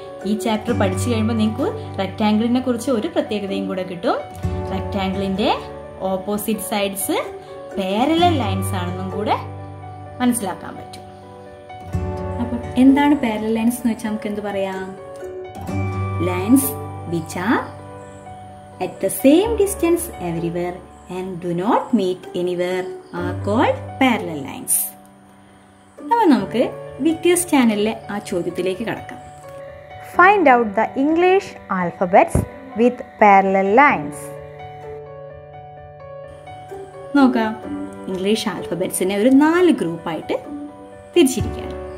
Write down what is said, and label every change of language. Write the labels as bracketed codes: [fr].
[ml] ഈ ചാപ്റ്റർ പഠിച്ചു കഴിയുമ്പോൾ നിങ്ങൾക്ക് റെക്റ്റാങ്കിളിനെ കുറിച്ച് ഒരു പ്രത്യേകതയും കൂടെ കിട്ടും. റെക്റ്റാങ്കിളിൻ്റെ ഓപ്പോസിറ്റ് സൈഡ്സ് പാരലൽ ലൈൻസ് ആണെന്നും കൂടെ മനസ്സിലാക്കാൻ പറ്റും. അപ്പം എന്താണ് പാരലൽ ലൈൻസ് എന്ന് വെച്ചാൽ നമുക്ക് എന്ത് പറയാം? [en] Lines which are at the same distance everywhere and do not meet anywhere are called parallel lines. [ml] അപ്പോൾ നമുക്ക് വിക്ടേഴ്സ് ചാനലിലെ ആ ചോദ്യത്തിലേക്ക് കടക്കാം. [en] Find out the English alphabets with parallel lines. [ml] നോക്കാം, ഇംഗ്ലീഷ് ആൽഫബറ്റ്സിനെ ഒരു 4 ഗ്രൂപ്പായിട്ട് തിരിച്ചിരിക്കുകയാണ്.